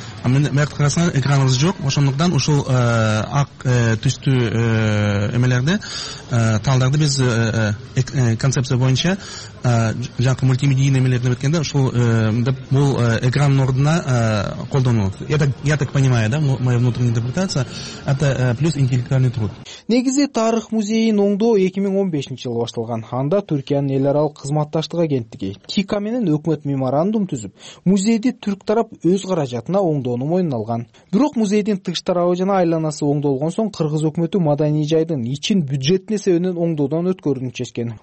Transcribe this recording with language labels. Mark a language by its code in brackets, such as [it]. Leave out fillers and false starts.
[ky] Мындай карасаң экраныбыз жок, ошондуктан ушул ак түстүү эмелерди талдарды биз концепция боюнча жакы мультимедийный эмелерден өткөндө ушул деп бул экран ордуна колдонулат. [ru] Я так понимаю, да, моя внутренняя интерпретация, это плюс интеллектуальный труд. [ky] Негизи тарых музейин оңдоо 2015-жылы башталган. Анда Түркиянын эл аралык кызматташтык агенттиги ТИКА менен өкмөт меморандум түзүп, музейди түрк тарап өз каражатына оңдоону моюн алган. Бирок музейдин тыш тарабы жана айланасы оңдолгон соң кыргыз өкмөтү маданий жайдын ичин бюджетине себебинен оңдоодон өткөрүүнү чечкен.